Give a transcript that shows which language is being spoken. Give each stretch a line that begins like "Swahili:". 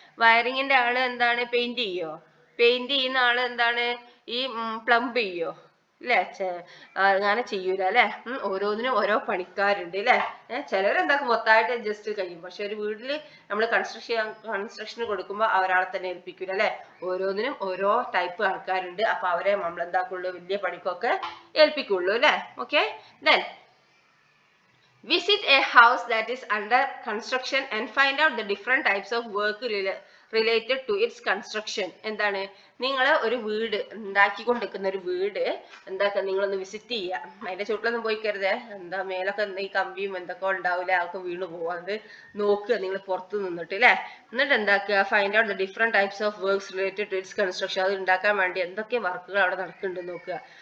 Malayalam: വയറിങ്ങിന്റെ ആള് എന്താണ് പെയിന്റ് ചെയ്യോ? പെയിന്റ് ചെയ്യുന്ന ആള് എന്താണ് ഈ പ്ലംബ് ചെയ്യോ? അല്ലേ? അങ്ങനെ ചെയ്യൂല അല്ലേ? ഓരോന്നിനും ഓരോ പണിക്കാരുണ്ട് അല്ലേ? ചിലരെന്താ മൊത്തമായിട്ട് അഡ്ജസ്റ്റ് കഴിയും. പക്ഷെ ഒരു വീട്ടില് നമ്മൾ കൺസ്ട്രക്ഷന് കൊടുക്കുമ്പോൾ അവരാളെ തന്നെ ഏൽപ്പിക്കൂല അല്ലേ? ഓരോന്നിനും ഓരോ ടൈപ്പ് ആൾക്കാരുണ്ട്. അപ്പൊ അവരെ നമ്മൾ എന്താക്കുള്ളൂ, വലിയ പണിക്കൊക്കെ ഏൽപ്പിക്കുള്ളൂ അല്ലേ?
English: Okay, then visit a house that is under construction and find out the different types of work related to its construction.
Malayalam: എന്താണ് നിങ്ങൾ ഒരു വീട് ഉണ്ടാക്കിക്കൊണ്ടിരിക്കുന്ന ഒരു വീട് എന്താക്കാ നിങ്ങളൊന്ന് വിസിറ്റ് ചെയ്യുക. അതിന്റെ ചുവട്ടിലൊന്നും പോയിക്കരുത്. എന്താ മേലൊക്കെ എന്താ ഈ കമ്പിയും എന്തൊക്കെ ഉണ്ടാവില്ല, ആൾക്ക് വീണു പോവാത് നോക്കുക നിങ്ങൾ പുറത്ത് നിന്നിട്ട് അല്ലേ? എന്നിട്ട് എന്താക്കുക,
English: find out the different types of works related to its construction,
Malayalam: അത് ഉണ്ടാക്കാൻ വേണ്ടി എന്തൊക്കെ വർക്കുകൾ അവിടെ നടക്കുന്നുണ്ട് നോക്കുക.